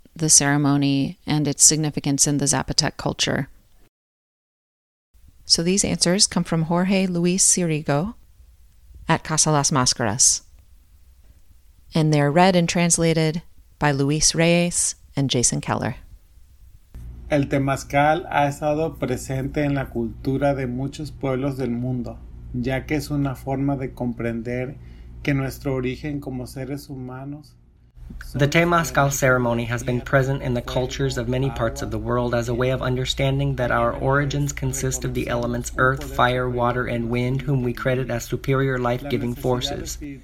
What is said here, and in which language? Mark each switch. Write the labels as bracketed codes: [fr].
[en] the ceremony and its significance in the Zapotec culture. So these answers come from Jorge Luis Sirigo at Casa Las Máscaras. And they're read and translated by Luis Reyes and Jason Keller. [es] El temazcal ha estado presente en la cultura de muchos pueblos del mundo, ya que es una forma de comprender que nuestro origen como seres humanos. [en] The Temazcal ceremony has been present in the cultures of many parts of the world as a way of understanding that our origins consist of the elements earth, fire, water, and wind, whom we credit as superior life-giving forces.